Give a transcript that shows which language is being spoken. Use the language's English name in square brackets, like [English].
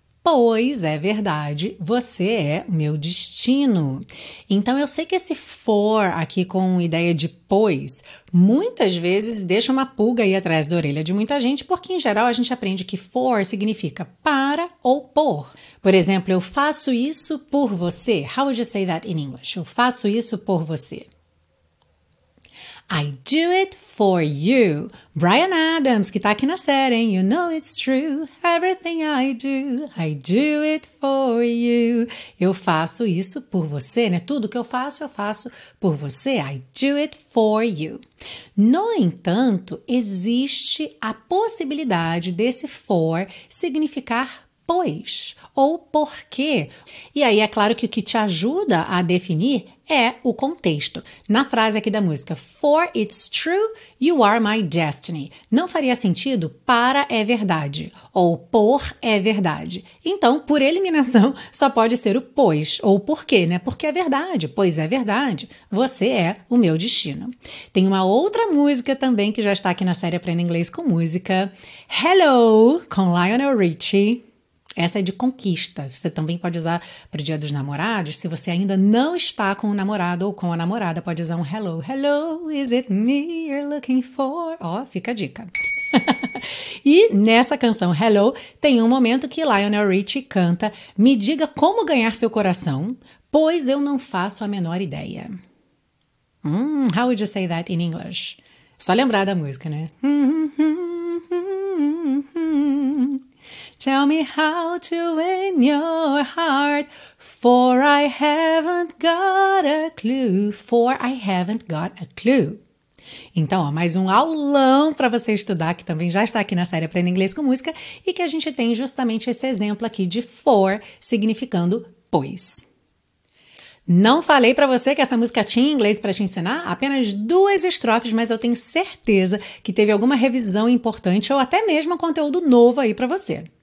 [Portuguese] Pois é verdade, você é o meu destino. Então, eu sei que esse for aqui com ideia de pois, muitas vezes deixa uma pulga aí atrás da orelha de muita gente, porque em geral a gente aprende que for significa para ou por. Por exemplo, eu faço isso por você. [English] How would you say that in English? [Portuguese] Eu faço isso por você. [English] I do it for you. [Portuguese] Brian Adams, que tá aqui na série, hein? [English] You know it's true. Everything I do it for you. [Portuguese] Eu faço isso por você, né? Tudo que eu faço por você. [English] I do it for you. [Portuguese] No entanto, existe a possibilidade desse for significar pois ou porquê. E aí é claro que o que te ajuda a definir é o contexto. Na frase aqui da música, [English] For it's true, you are my destiny. [Portuguese] Não faria sentido para é verdade ou por é verdade. Então, por eliminação, só pode ser o pois ou porquê, né? Porque é verdade, pois é verdade. Você é o meu destino. Tem uma outra música também que já está aqui na série Aprenda Inglês com Música. Hello, com Lionel Richie. Essa é de conquista. Você também pode usar para o Dia dos Namorados. Se você ainda não está com o namorado ou com a namorada, pode usar um hello. [English] Hello, is it me you're looking for? [Portuguese] Ó, fica a dica. E nessa canção Hello, tem um momento que Lionel Richie canta Me diga como ganhar seu coração, pois eu não faço a menor ideia. [English] How would you say that in English? [Portuguese] Só lembrar da música, né? [English] Tell me how to win your heart, for I haven't got a clue, for I haven't got a clue. [Portuguese] Então, ó, mais um aulão para você estudar, que também já está aqui na série Aprenda Inglês com Música, e que a gente tem justamente esse exemplo aqui de for significando pois. Não falei para você que essa música tinha inglês para te ensinar? Apenas duas estrofes, mas eu tenho certeza que teve alguma revisão importante ou até mesmo conteúdo novo aí para você.